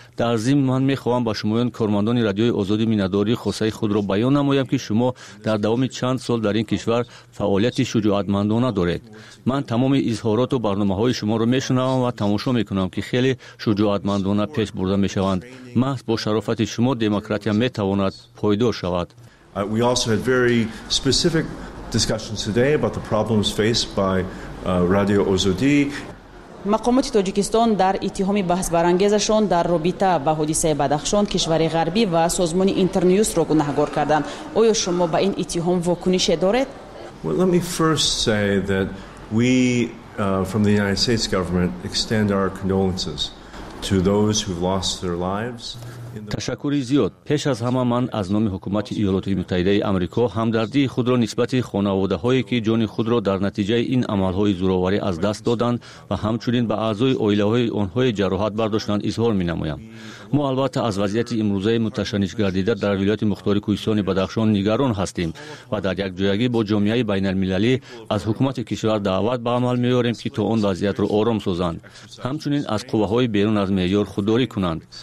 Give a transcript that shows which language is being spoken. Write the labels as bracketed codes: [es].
[fa] در ضمن من می خواهم با شمایان کارمندان رادیوی آزادی مینداری خواسته خود را بیان نمایم که شما در دوام چند سال در این کشور فعالیت شجاعتمندانه دارید. من تمام اظهارات و برنامه های شما را می شنوم و تماشا می کنم که خیلی شجاعتمندانه پیش برده می شوند. محض با شرافت شما دموکراسی می تواند پایدار شود. [en] We also had very specific discussions today about the problems faced by Radio Ozodi. [fa] مقامات تاجیکستان در اتهام بحث برانگیزشان در رابطه با حادثه بدخشان کشور غربی و سازمان اینترنیوز را گناهکار کردند. آیا شما به این اتهام واکنش دارید؟ [en] Well, let me first say that we from the United States government extend our condolences to those who've lost their lives. [fa] تشکری زیاد. پیش از همه من از نام حکومت ایالات متحده آمریکا همدردی خود را نسبت خانواده هایی که جان خود را در نتیجه این عمل های زورآوری از دست دادند و همچنین به اعضای آیله های آنهای جراحت برداشتند اظهار می نمایم. ما البته از وضعیت امروزه متشنج گردیده در ولایت مختار کوهستان بدخشان نگران هستیم و در یک جایگی با جامعه بین المللی از حکومت کشور دعوت به عمل می آوریم که تا آن وضعیت را آرام سازند، همچنین از قوه های بیرون از معیار خودداری کنند.